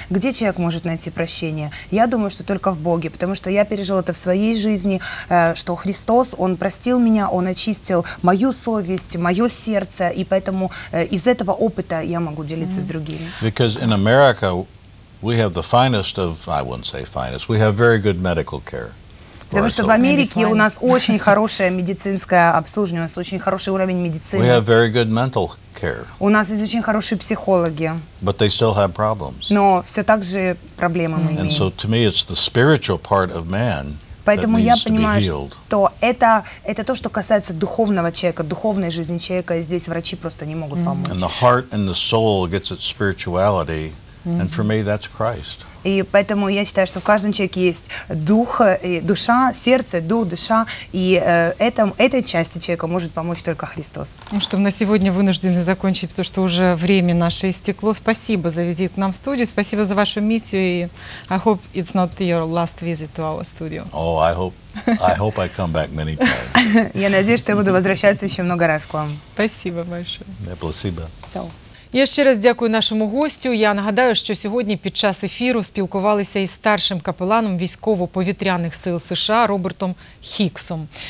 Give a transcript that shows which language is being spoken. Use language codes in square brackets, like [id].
[ru] Где человек может найти прощение? Я думаю, что только в Боге, потому что я пережил это в своей жизни, что Христос, он простил меня. Он очистил мою совесть, мое сердце, и поэтому из этого опыта я могу делиться с другими. [en] Because in America we have the finest of, I wouldn't say finest, we have very good medical care. [ru] Потому что в Америке у нас очень хорошее медицинское обслуживание, у нас очень хороший уровень медицины. [en] We have very good mental care. [ru] У нас есть очень хорошие психологи. [en] But they still have problems. [ru] Но все так же проблемы мы имеем. [en] And so to me it's the spiritual part of man. [ru] Поэтому я понимаю, что это то, что касается духовного человека, духовной жизни человека, и здесь врачи просто не могут помочь. [en] And the heart and the soul gets its spirituality, and for me that's Christ. [ru] И поэтому я считаю, что в каждом человеке есть дух, душа, сердце, дух, душа, и этой части человека может помочь только Христос. Ну что, на сегодня вынуждены закончить, потому что уже время наше истекло. Спасибо за визит к нам в студию, спасибо за вашу миссию, и [en] I hope it's not your last visit to our studio. Oh, I hope I come back many times. [ru] Я надеюсь, что я буду возвращаться еще много раз к вам. Спасибо большое. Спасибо. [uk] Я ще раз дякую нашому гостю. Я нагадаю, що сьогодні під час ефіру спілкувалися із старшим капеланом Військово-повітряних сил США Робертом Хіксом.